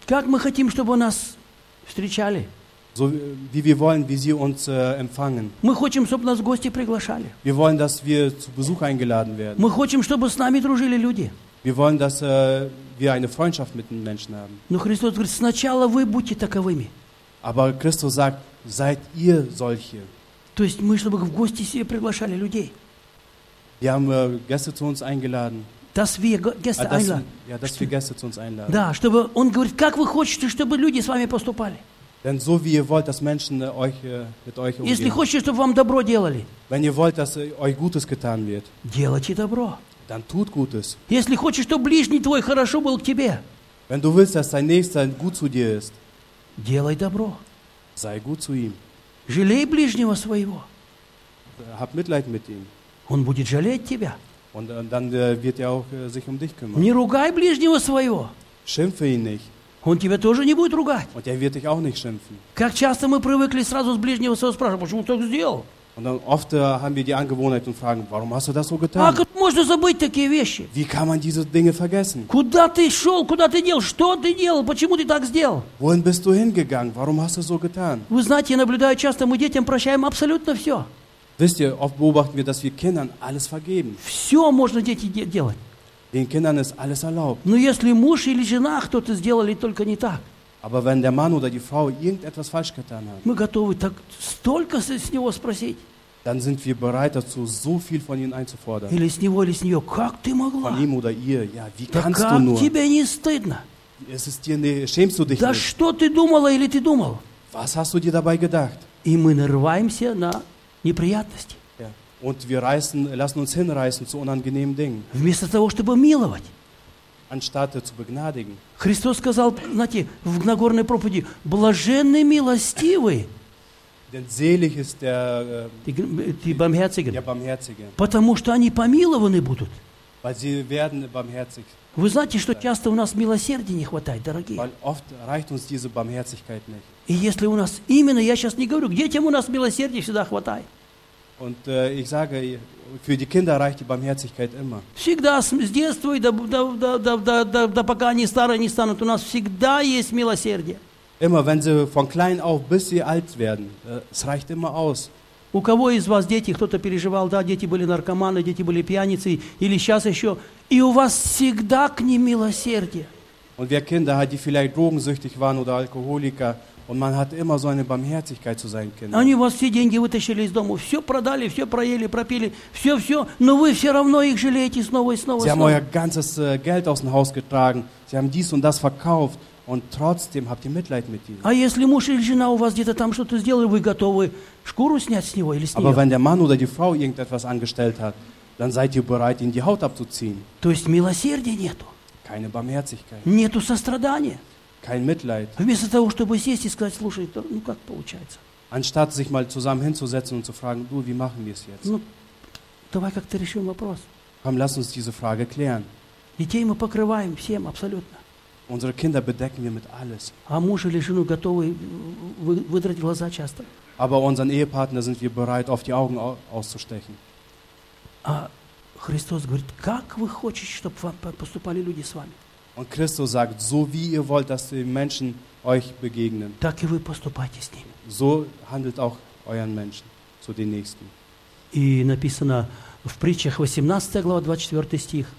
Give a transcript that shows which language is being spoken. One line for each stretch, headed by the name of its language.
Russian: Как мы хотим, чтобы нас встречали?
German: So wie wir wollen, wie sie uns empfangen.
Russian: Мы хотим, чтобы нас гости приглашали.
German: Wir wollen, dass wir zu Besuch eingeladen werden.
Russian: Мы хотим, чтобы с нами дружили люди.
German: Wir wollen, dass wir eine Freundschaft mit den Menschen haben.
Russian: Но Христос говорит, сначала вы будьте таковыми.
German: Aber Christus sagt, seid ihr solche.
Russian: То есть мы, чтобы в гости себе приглашали людей.
German: Wir haben Gäste zu uns eingeladen. Dass wir Gäste einladen. Ja, dass wir Gäste zu uns einladen.
Russian: Да, чтобы он говорит, как вы хотите, чтобы люди с вами поступали.
German: Denn so wie ihr wollt, dass Menschen euch mit euch umgehen.
Russian: Если хочешь, чтобы вам добро делали.
German: Wenn ihr wollt, dass euch Gutes getan wird.
Russian: Делайте добро.
German: Dann tut Gutes.
Russian: Если хочешь, чтобы ближний твой хорошо был к тебе.
German: Wenn du willst, dass dein Nächster gut zu dir ist.
Russian: Делай добро.
German: Sei gut zu ihm.
Russian: Жалей ближнего своего.
German: Hab Mitleid mit ihm.
Russian: Он будет жалеть тебя.
German: Und dann wird auch sich dich kümmern.
Russian: Не ругай ближнего своего.
German: Schimpfe ihn nicht.
Russian: Он тебя тоже не будет ругать.
German: Und er wird dich auch nicht schimpfen.
Russian: Как часто мы привыкли сразу с ближнего своего спрашивать, почему ты так сделал?
German: Und dann oft haben wir die Angewohnheit und fragen, warum hast du das so getan?
Russian: А как можно забыть такие вещи?
German: Wie kann man diese Dinge vergessen?
Russian: Куда ты шел? Куда ты делал? Что ты делал? Почему ты так сделал?
German: Wohin bist du hingegangen? Warum hast du so getan?
Russian: Вы знаете, я наблюдаю часто, мы детям прощаем абсолютно все.
German: Wisst ihr, oft beobachten wir, dass wir Kindern alles vergeben.
Russian: Все можно дети делать.
German: Den Kindern ist alles erlaubt.
Russian: Но если муж или жена кто-то сделали только не так,
German: aber wenn der Mann oder die Frau irgendetwas falsch getan hat,
Russian: мы готовы так столько с него спросить.
German: Dann sind wir bereit dazu, so viel von ihnen einzufordern.
Russian: Или с него, или с нее. Как ты могла?
German: Von ihm oder ihr. Ja, wie
Russian: да
German: kannst
Russian: как
German: du nur?
Russian: Тебе не стыдно?
German: Es ist dir nicht, schämst du dich
Russian: да
German: nicht?
Russian: Что ты думала или ты думал?
German: Was hast du dir dabei gedacht?
Russian: И мы нарываемся на неприятности.
German: Und wir lassen uns hinreißen zu unangenehmen Dingen.
Russian: Вместо того, чтобы миловать.
German: Anstatt zu begnadigen.
Russian: Христос сказал, знаете, в Нагорной проповеди, блаженны милостивые.
German: Denn selig ist der, die Barmherzigen. Der Barmherzige.
Russian: Потому что они помилованы будут.
German: Weil sie werden barmherzig.
Russian: Вы знаете, что часто у нас милосердия не хватает, дорогие.
German: Weil oft reicht uns diese Barmherzigkeit nicht.
Russian: И если у нас именно, я сейчас не говорю, к детям у нас милосердия всегда хватает.
German: Und ich sage, für die Kinder reicht die Barmherzigkeit immer.
Russian: Всегда с детства и до пока они старые не станут, у нас всегда есть милосердие.
German: Immer, wenn sie von klein auf bis sie alt werden, es reicht immer aus.
Russian: У кого из вас дети, кто-то переживал, да, дети были наркоманы, дети были пьяницы, или сейчас еще, и у вас всегда к ним милосердие.
German: Und wir Kinder, die vielleicht drogensüchtig waren oder Alkoholiker, und man hat immer so eine Barmherzigkeit zu seinen Kindern.
Russian: Они вас все деньги вытащили из дома, все продали, все проели, пропили, все, все, но вы все равно их жалеете снова и снова.
German: Sie haben euer ganzes Geld aus dem Haus getragen, sie haben dies und das verkauft und trotzdem habt ihr Mitleid mit ihnen.
Russian: А если муж или жена у вас где-то там что-то сделали, вы готовы шкуру снять с него или с нее?
German: Aber wenn der Mann oder die Frau irgendetwas angestellt hat, dann seid ihr bereit, ihnen die Haut abzuziehen.
Russian: То есть милосердия нету.
German: Keine Barmherzigkeit.
Russian: Нету сострадания.
German: Kein Mitleid.
Russian: Вместо того, чтобы сесть и сказать, слушай, ну как получается?
German: Anstatt sich mal zusammen hinzusetzen und zu fragen, du, wie machen wir es jetzt?
Russian: Ну, давай как-то решим вопрос.
German: Komm, lass uns diese Frage klären.
Russian: Детей мы покрываем всем абсолютно.
German: Unsere Kinder bedecken wir mit alles.
Russian: А муж или жену готовы выдрать глаза часто?
German: Aber unseren Ehepartner sind wir bereit, auf die Augen auszustechen.
Russian: А Христос говорит, как вы хотите, чтобы поступали люди с вами?
German: Und Christus sagt, so wie ihr wollt, dass die Menschen euch begegnen,
Russian: так и вы поступайте с ними.
German: So handelt auch euren Menschen zu den Nächsten.
Russian: И написано в притчах 18 глава, 24 стих.